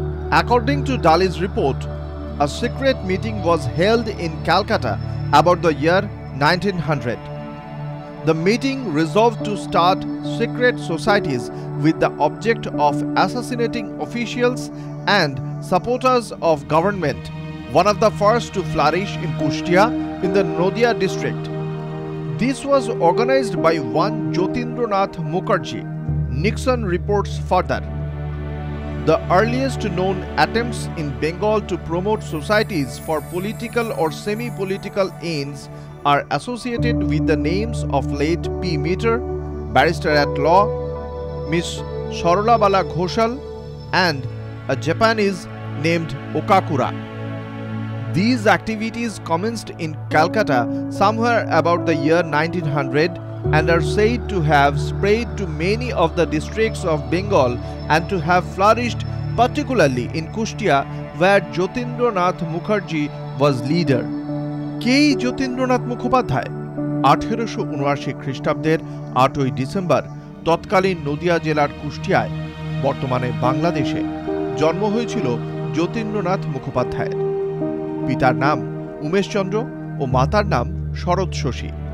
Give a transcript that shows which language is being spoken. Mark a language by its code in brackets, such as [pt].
[en] According to Daly's report, a secret meeting was held in Calcutta about the year 1900। The meeting resolved to start secret societies with the object of assassinating officials and supporters of government, one of the first to flourish in Kushtia in the Nodia district. This was organized by one Jyotindranath Mukherjee. Nixon reports further. The earliest known attempts in Bengal to promote societies for political or semi-political aims are associated with the names of late P. Meter, Barrister at Law, Miss Sarolabala Ghoshal, and a Japanese named Okakura. These activities commenced in Calcutta somewhere about the year 1900 and are said to have spread to many of the districts of Bengal and to have flourished particularly in Kushtia where Jyotindranath Mukherjee was leader. K. [bn] Jyotindranath Mukhopadhyay 1879 খ্রিস্টাব্দের 8ই December তৎকালীন নদিয়া জেলার কুষ্টিয়ায় বর্তমানে বাংলাদেশে জন্ম হয়েছিল জ্যোতিন্দ্রনাথ মুখোপাধ্যায়ের। পিতার নাম উমেশচন্দ্র ও মাতার নাম শরৎশশী।